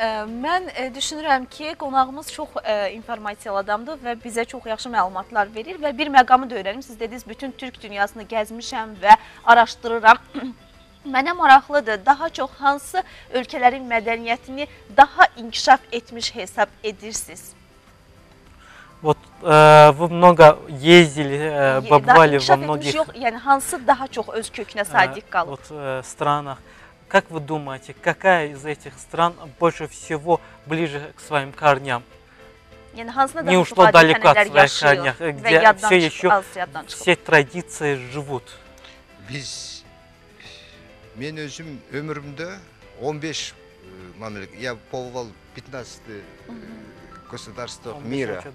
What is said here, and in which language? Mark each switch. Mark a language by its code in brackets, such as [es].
[az] Mən düşünürəm ki, qonağımız çox informasiyalı adamdır və bizə çox yaxşı məlumatlar verir və bir məqamı da öyrənim. Siz dediniz, bütün türk dünyasını gəzmişəm və araşdırıram. Mənə maraqlıdır, daha çox hansı ölkələrin mədəniyyətini daha inkişaf etmiş hesab edirsiniz? [ru] Вот вы много ездили, бывали во многих... [az] Yox, yəni, hansı daha çox öz köknə sadiq qalıb? [ru] Вот, странах. Как вы думаете, какая из этих стран больше всего ближе к своим корням? Не ушло далеко от своих корней, где все еще все традиции живут. [az] Biz, [kk] мен өзім өмірімді 15 мамлекет, [ru] я побывал 15 государств мира.